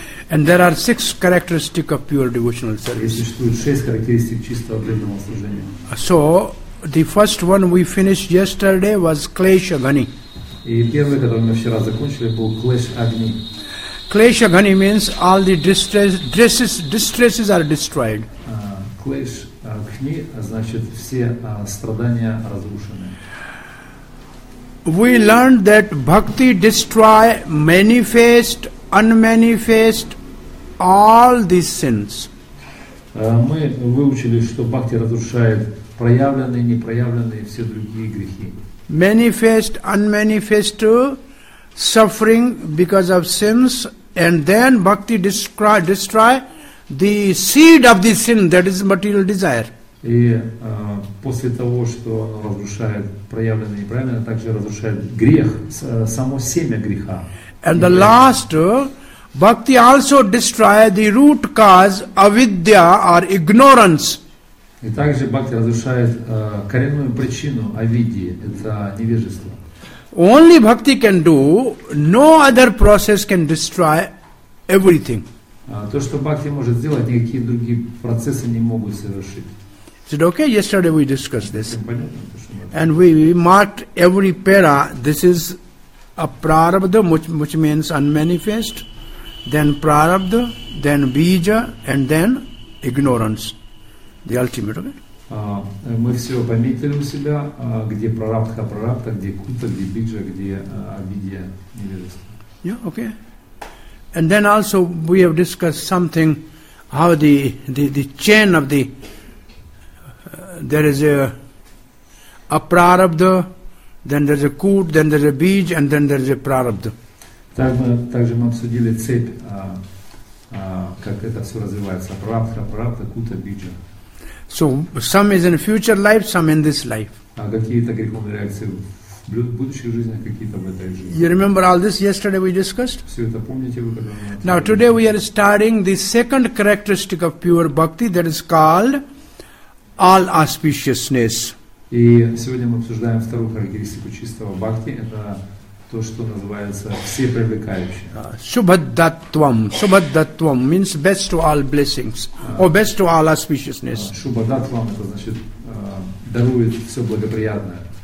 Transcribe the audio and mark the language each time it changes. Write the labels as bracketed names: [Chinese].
[English] And there are six characteristics of pure devotional service. So, the first one we finished yesterday was Klesha Ghani. [Russian] И первый, который мы вчера закончили, был Клеш Агни. [English] Клеш Агни means all the distresses are destroyed. [Russian] Клеш агни, значит все страдания разрушены. [English] We learned that bhakti destroy manifest, unmanifest all these sins. [Russian] Мы выучили, что бхакти разрушает проявленные, непроявленные, все другие грехи. [English] Manifest, unmanifest suffering because of sins, and then bhakti destroy the seed of the sin, that is material desire. [Russian] И после того, что разрушает проявленное и неправильное, также разрушает грех, само семя греха. [English] And the last, bhakti also destroys the root cause, avidya or ignorance. [Russian] И также бхакти разрушает коренную причину авидьи, это невежество. [English] Only bhakti can do, no other process can destroy everything. [Russian] То, что бхакти может сделать, никакие другие процессы не могут совершить. [English] Said, okay, yesterday we discussed this. And we marked every para. This is a prarabdha, which means unmanifest, then prarabdha, then bija, and then ignorance. The ultimate, okay? [Russian] Мы все пометили у себя, где прарабдха, прарабдха, где кута, где бижа, где обидья, невежество. [English] Yeah, okay. And then also we have discussed something, how the chain of the there is a prarabdha, then there is a kut, then there is a bij, and then there is a prarabdha. [Russian] Также мы обсудили цепь, как это все развивается. Прарабдха, прарабдха, кута, бижа. [English] So some is in future life, some in this life. [Russian] Какие-то грехи умеряются в будущих жизнях, какие-то в этой жизни. [English] You remember all this yesterday we discussed? [Russian] Все это помните вы, когда мы... [English] Now today we are starting the second characteristic of pure bhakti, that is called all auspiciousness. [Russian] И сегодня мы обсуждаем вторую характеристику чистого бхакти, это то, что называется всепривлекающее. [English] Шубхаддаттвам. Шубхаддаттвам means best to all blessings, or best to all auspiciousness. [Russian] Шубхаддаттвам, это значит, дарует все благоприятное.